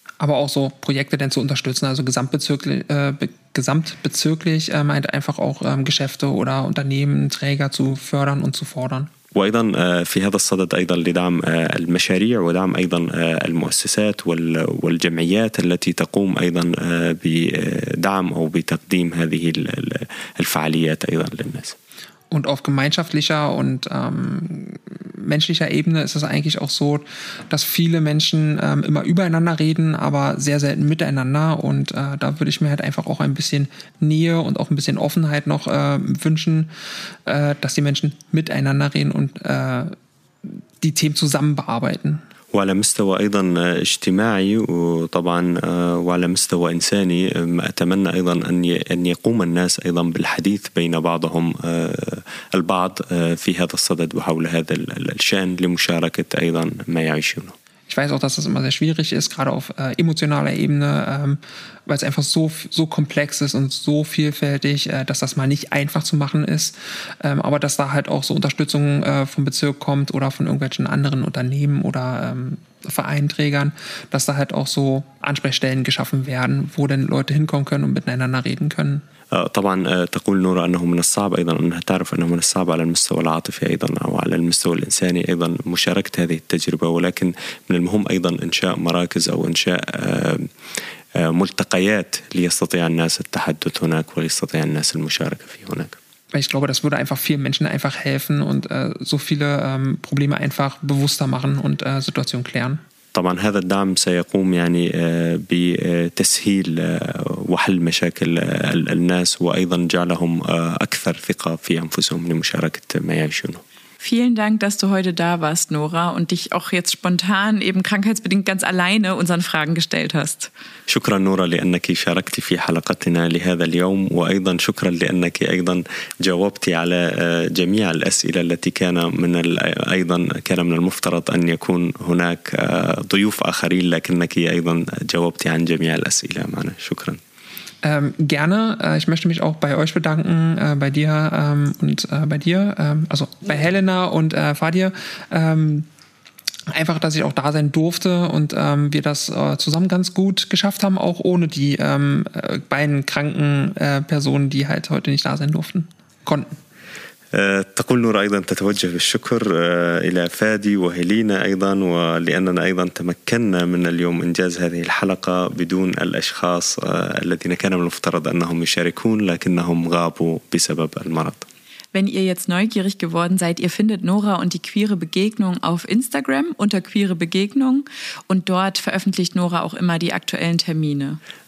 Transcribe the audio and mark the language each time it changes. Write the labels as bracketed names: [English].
[German] Aber auch so Projekte denn zu unterstützen, also gesamtbezirklich meint einfach auch Geschäfte oder Unternehmen, Träger zu fördern und zu fordern. [Arabic] وأيضا في هذا الصدد أيضا لدعم المشاريع ودعم أيضا المؤسسات والجمعيات التي تقوم أيضا بدعم أو بتقديم هذه الفعاليات أيضا للناس. [German] Und auf gemeinschaftlicher und menschlicher Ebene ist es eigentlich auch so, dass viele Menschen immer übereinander reden, aber sehr selten miteinander. Und da würde ich mir halt einfach auch ein bisschen Nähe und auch ein bisschen Offenheit noch wünschen, dass die Menschen miteinander reden und die Themen zusammen bearbeiten. [Arabic] وعلى مستوى أيضا اجتماعي وطبعا وعلى مستوى إنساني أتمنى أيضا أن يقوم الناس أيضا بالحديث بين بعضهم البعض في هذا الصدد وحول هذا الشأن لمشاركة أيضا ما يعيشونه. [German] Ich weiß auch, dass das immer sehr schwierig ist, gerade auf emotionaler Ebene, weil es einfach so komplex ist und so vielfältig, dass das mal nicht einfach zu machen ist. Aber dass da halt auch so Unterstützung vom Bezirk kommt oder von irgendwelchen anderen Unternehmen oder Vereinträgern, dass da halt auch so Ansprechstellen geschaffen werden, wo denn Leute hinkommen können und miteinander reden können. [Arabic] طبعا تقول نورا أنه من الصعب أيضا أنها تعرف أنه من الصعب على المستوى العاطفي أيضا أو على المستوى الإنساني أيضا مشاركة هذه التجربة ولكن من المهم أيضا إنشاء مراكز أو إنشاء ملتقيات ليستطيع الناس التحدث هناك وليستطيع الناس المشاركة في هناك. [German] Ich glaube, das würde einfach vielen Menschen einfach helfen und so viele Probleme einfach bewusster machen und Situation klären. [Arabic] طبعا هذا الدعم سيقوم يعني بتسهيل وحل مشاكل الناس وأيضا جعلهم أكثر ثقة في أنفسهم لمشاركة ما يعيشونه. [German] Vielen Dank, dass du heute da warst, Nora, und dich auch jetzt spontan eben krankheitsbedingt ganz alleine unseren Fragen gestellt hast. [Arabic] شكرا نورا لأنك شاركت في حلقتنا لهذا اليوم وأيضا شكرا لأنك أيضا جاوبت على جميع الأسئلة التي كان من المفترض أن يكون هناك ضيوف آخرين لكنك أيضا جاوبت عن جميع الأسئلة معنا شكرا. [German] Gerne. Ich möchte mich auch bei euch bedanken, bei dir und bei dir, also bei Helena und Fadir. Einfach, dass ich auch da sein durfte und wir das zusammen ganz gut geschafft haben, auch ohne die beiden kranken Personen, die halt heute nicht da sein durften, konnten. [Arabic] تقول نورا أيضا تتوجه بالشكر إلى فادي وهيلينا أيضا ولأننا أيضا تمكننا من اليوم إنجاز هذه الحلقة بدون الأشخاص الذين كان من المفترض أنهم يشاركون لكنهم غابوا بسبب المرض. [German] Wenn ihr jetzt neugierig geworden seid, ihr findet Nora und die queere Begegnung auf Instagram unter queere Begegnung und dort veröffentlicht Nora auch immer die aktuellen Termine.